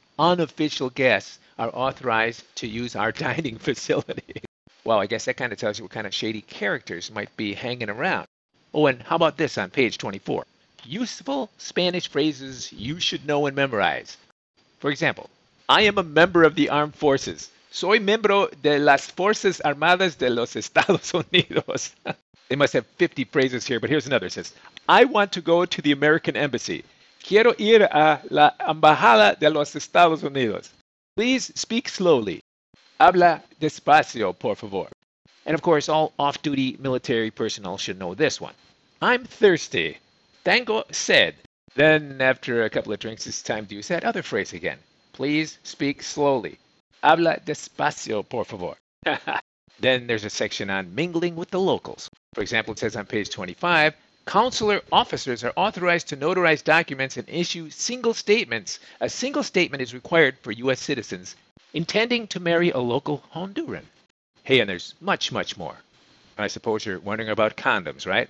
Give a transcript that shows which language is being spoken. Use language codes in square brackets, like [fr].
[en] Unofficial guests are authorized to use our dining facility. Well, I guess that kind of tells you what kind of shady characters might be hanging around. Oh, and how about this on page 24? Useful Spanish phrases you should know and memorize. For example, I am a member of the armed forces. [es] Soy miembro de las Fuerzas Armadas de los Estados Unidos. [en] They must have 50 phrases here, but here's another. It says, I want to go to the American embassy. [es] Quiero ir a la embajada de los Estados Unidos. [en] Please speak slowly. [es] Habla despacio, por favor. [en] And of course, all off-duty military personnel should know this one. I'm thirsty. [es] Tengo sed. [en] Then, after a couple of drinks, it's time to use that other phrase again. Please speak slowly. [es] Habla despacio, por favor. [en] Then there's a section on mingling with the locals. For example, it says on page 25, consular officers are authorized to notarize documents and issue single statements. A single statement is required for U.S. citizens intending to marry a local Honduran. Hey, and there's much, much more. I suppose you're wondering about condoms, right?